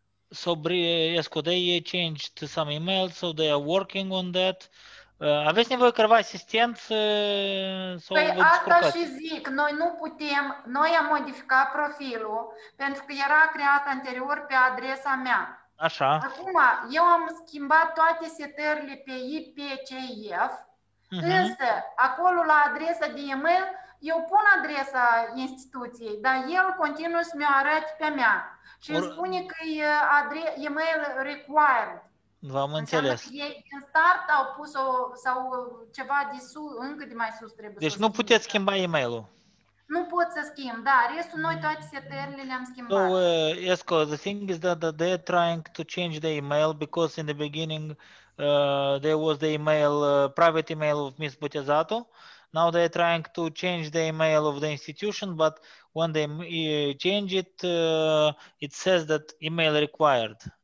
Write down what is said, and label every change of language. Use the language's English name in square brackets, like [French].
[English] So, Esco, they changed some emails, so they are working on that. [Romanian] Aveți nevoie careva asistență? Păi asta și zic, noi nu putem, noi am modificat profilul, pentru că era creat anterior pe adresa mea. Așa. Acum, eu am schimbat toate setările pe IPCF, însă acolo la adresa de email, eu pun adresa instituției, dar el continuă să mi-o arăt pe mea. Și îmi spune că e [English] email required. [Romanian] V-am înțeles. Înseamnă că ei în start au pus o sau ceva de sus, încă de mai sus trebuie. Deci nu puteți schimba email-ul. Nu pot să schimb, da, restul noi toate setările le-am schimbat. [English] So, Esco, the thing is that they're trying to change the email because in the beginning there was the email private email of Ms. Botezato. Now they're trying to change the email of the institution, but when they change it, it says that email required.